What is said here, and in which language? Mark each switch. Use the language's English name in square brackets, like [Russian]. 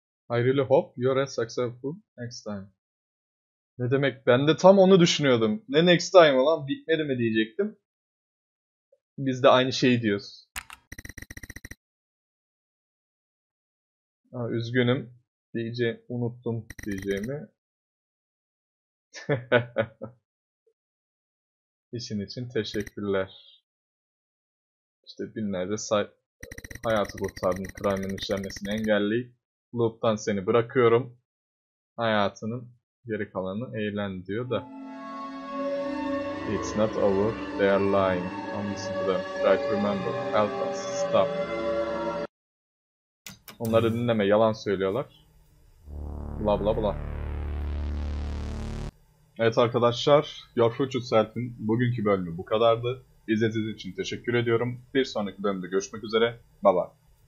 [English] I really hope you're as successful next time. [Turkish] Ne demek? Ben de tam onu düşünüyordum. Ne [English] next time [Turkish] olan? Bitmedi mi diyecektim. Biz de aynı şeyi diyoruz. Aa, üzgünüm. Unuttum diyeceğimi. İşin için teşekkürler. İşte binlerce hayatı kurtardın. Crime'in işlenmesini engelleyip. Loop'tan seni bırakıyorum. Hayatının geri kalanını eğlen diyor da. [English] It's not over, they are lying. [Turkish] Anlısın bu da. [English] Right, remember, help us, stop. [Turkish] Onları dinleme, yalan söylüyorlar. Bla bla bla. Evet arkadaşlar, Your Future Self'in bugünkü bölümü bu kadardı. İzlediğiniz için teşekkür ediyorum. Bir sonraki bölümde görüşmek üzere. Bye bye.